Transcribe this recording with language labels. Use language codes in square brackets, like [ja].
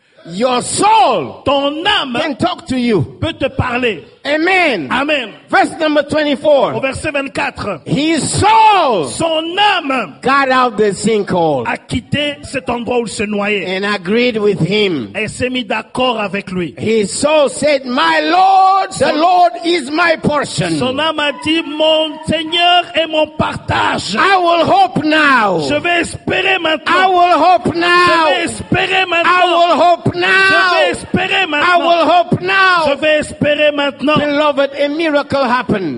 [en] Your soul, [fr] ton âme, [en] can talk to you, [fr] peut te parler. [en] Amen. [fr] Amen. [en] Verse number 24. [fr] Au verset 24. [en] His soul, [fr] son âme, [en] got out the sinkhole, [fr] a quitté cet endroit où il se noyait, [en] and agreed with him, [fr] et s'est mis d'accord avec lui. [en] His soul said, "My Lord, the Lord is my portion." [fr] Son âme a dit, mon Seigneur est mon partage. [en] I will hope now. [fr] Je vais espérer maintenant. [en] I will hope now. [fr] Je vais espérer maintenant. [en] I will hope now. [fr] Je vais espérer maintenant. [en] I will hope now. [fr] Je vais espérer maintenant. [en] Beloved, a miracle happened.